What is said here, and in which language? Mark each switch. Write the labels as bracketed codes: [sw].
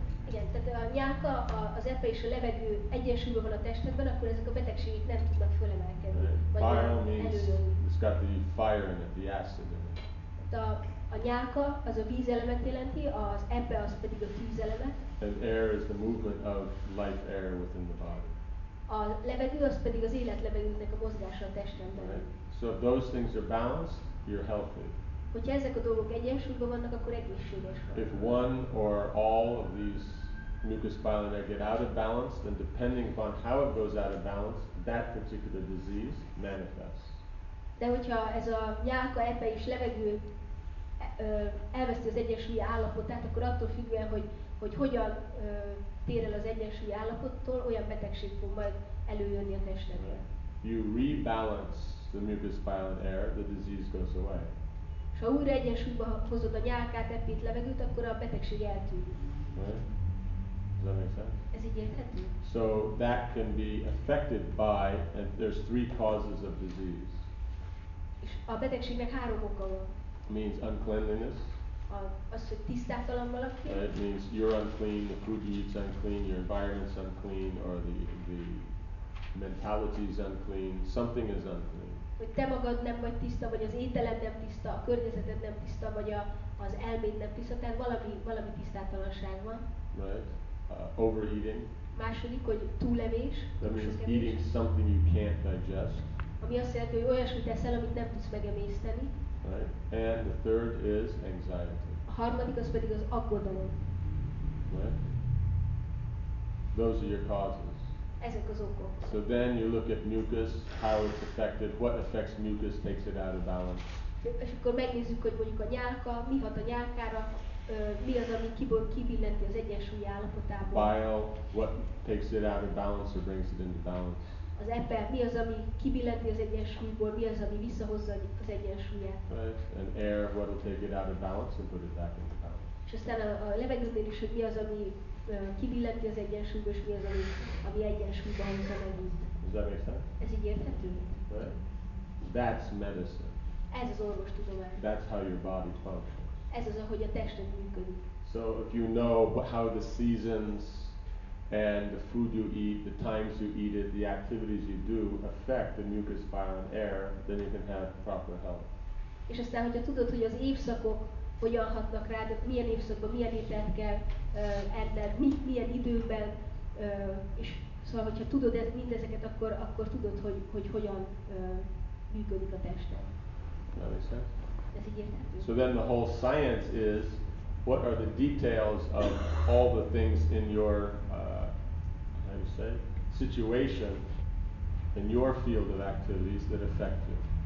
[hu] Igen, tehát a nyálka, az epe és a levegő egyensúlyban van a testedben, akkor ezek a betegségek nem tudnak fölemelkedni. [en] Bile means it's got the fire in it, the acid in it. [hu] A nyálka az a vízelemet jelenti, az epe az pedig a tűzelemet. [en] And air is the movement of life air within the body. [hu] A levegő az pedig az életlevegőnek a mozgása a testedben. [en] So if those things are balanced, you're healthy. [hu] Hogyha ezek a dolgok egyensúlyban vannak, akkor egészséges vagy. [en] If one or all of these mucus bilayer get out of balance, then depending upon how it goes out of balance, that particular disease manifests. [hu] De hogyha ez a nyálka, epe és levegő elveszti az egyensúlyi állapotát, akkor attól függően, hogy hogyan tér el az egyensúlyi állapottól, olyan betegség fog majd előjönni a testedre. [en] You rebalance the mucus bilayer, the disease goes away. [hu] És ha újra egyensúlyba hozod a nyálkát, epét, levegőt, akkor a betegség eltűnik. [en] Right. Does that make sense? [hu] Ez így érthető? [en] So that can be affected by, and there's three causes of disease. [hu] És a betegségnek három oka van. [en] Means uncleanliness. [hu] Az, hogy tisztátalan valaki. [en] It means you're unclean, the food you eat's unclean, your environment's unclean, or the mentality's unclean, something is unclean. [hu] Hogy te magad nem vagy tiszta, vagy az ételed nem tiszta, a környezeted nem tiszta, vagy az elméd nem tiszta, tehát valami tisztátalanság van. [en] Right. Overeating. [hu] Második, hogy túlevés. [en] That means eating something you can't digest. [hu] Ami azt jelenti, hogy olyasmit eszel, amit nem tudsz megemészteni. [en] Right. And the third is anxiety. [hu] A harmadik az pedig az aggodalom. [en] Right. Those are your causes. [hu] Ezek az okok. [en] So then you look at mucus, how it's affected, what affects mucus, takes it out of balance. [hu] És akkor megnézzük, hogy mondjuk a nyálka, mi hat a nyálkára, mi az, ami kibillenti az egyensúlyi állapotából. [en] Bile, what takes it out of balance or brings it into balance. [hu] Az epe, mi az, ami kibillenti az egyensúlyból, mi az, ami visszahozza az egyensúlyát. [en] Right. And air, what will take it out of balance and put it back into balance. [hu] És aztán a levegőnél is, hogy mi az, ami kibillenti az egyensúlyba, és mi az, ami egyensúlyba hozza megint. [en] Does that make sense? [hu] Ez így érthető? [en] Right. That's medicine. [hu] Ez az orvostudomány. [en] That's how your body functions. [hu] Ez az, ahogy a tested működik. [en] So if you know how the seasons and the food you eat, the times you eat it, the activities you do affect the mucus bilayer air, then you can have proper health. [hu] És aztán, hogyha tudod, hogy az évszakok hogyan hatnak rád, milyen évszakban, milyen ételt kell enned, milyen időben, és szóval, hogyha tudod mindezeket, akkor tudod, hogy hogyan működik a tested. [en] So then the whole science is, what are the details of all the things in your, how do you say, situation, in your field of activities that affect you?